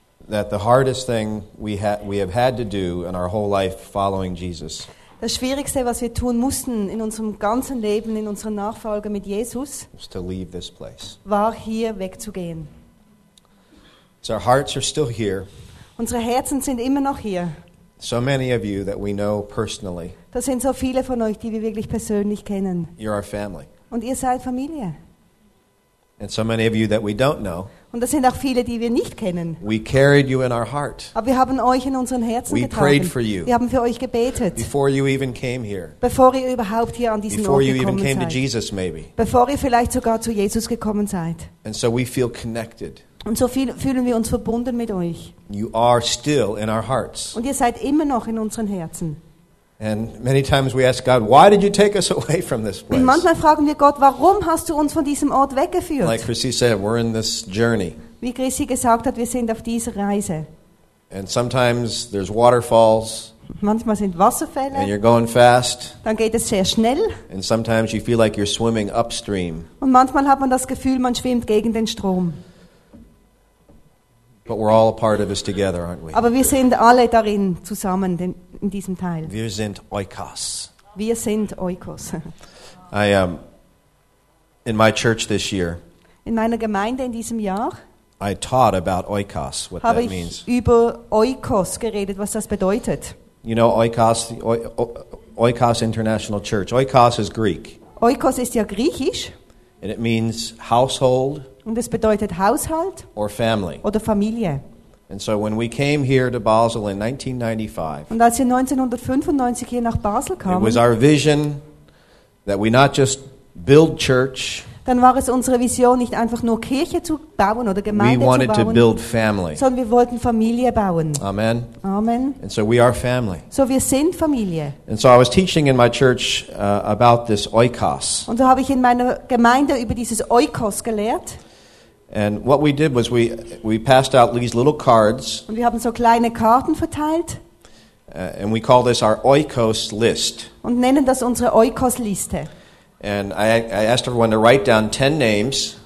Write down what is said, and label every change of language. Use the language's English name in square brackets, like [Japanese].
[English] That the hardest thing we have had to do in our whole life following Jesus. [German] Das Schwierigste, was wir tun mussten in unserem ganzen Leben in unserer Nachfolge mit Jesus, [English] was to leave this place. [German] War hier wegzugehen. [English] So our hearts are still here. [German] Unsere Herzen sind immer noch hier. [English] So many of you that we know personally. [German] Das sind so viele von euch, die wir wirklich persönlich kennen. [English] You're our family. [German] Und ihr seid Familie. [English] And so many of you that we don't know. [German] Und das sind auch viele, die wir nicht kennen. [English] We carried you in our heart. [German] Aber wir haben euch in unseren Herzen [English] we [German] getragen. [English] Prayed for you. [German] Wir haben für euch gebetet. [English] Before you even came here. [German] Bevor ihr überhaupt hier an diesen [English] Before [German] Ort gekommen [English] you even came [German] seid. [English] To Jesus, maybe. [German] Bevor ihr vielleicht sogar zu Jesus gekommen seid. [English] And so we feel connected. [German] Und so fühlen wir uns verbunden mit euch. [English] You are still in our hearts. [German] Und ihr seid immer noch in unseren Herzen. [English] And many times we ask God, why did you take us away from this place? [German] Und manchmal fragen wir Gott, warum hast du uns von diesem Ort weggeführt? [English] Like Chrissy said, we're in this journey. [German] Wie Chrissy gesagt hat, wir sind auf dieser Reise. [English] And sometimes there's waterfalls. [German] Manchmal sind Wasserfälle. [English] And you're going fast. [German] Dann geht es sehr schnell. [English] And sometimes you feel like you're swimming upstream. [German] Und manchmal hat man das Gefühl, man schwimmt gegen den Strom. [English] But we're all a part of this together, aren't we? [German] Aber wir sind alle darin zusammen in diesem Teil. Wir sind Oikos. Wir sind Oikos. [English] I am in my church this year. [German] In meiner Gemeinde in diesem Jahr. [English] I taught about Oikos, what [German] habe [English] that means. [German] Ich über Oikos geredet, was das bedeutet. [English] You know Oikos, Oikos International Church. Oikos is Greek. [German] Oikos ist ja griechisch. [English] And it means household. [German] Und es bedeutet Haushalt [English] or family. [German] Oder Familie. [English] And so when we came here to Basel in 1995, [German] und als wir 1995 hier nach Basel kamen, [English] it was our vision that we not just build church, [German] dann war es unsere Vision, nicht einfach nur Kirche zu bauen oder Gemeinde [English] we wanted [German] zu bauen, [English] to build family. [German] Sondern wir wollten Familie bauen. Amen. Amen. [English] And so we are family. [German] So wir sind Familie. [English] And so I was teaching in my church about this Oikos. [German] Und so habe ich in meiner Gemeinde über dieses Oikos gelehrt. [English] And what we did was we passed out these little cards. [German] Und wir haben so kleine Karten verteilt. [English] And we call this our Oikos list. [German] Und nennen das unsere Oikos Liste. [English] And I asked everyone to write down 10 names.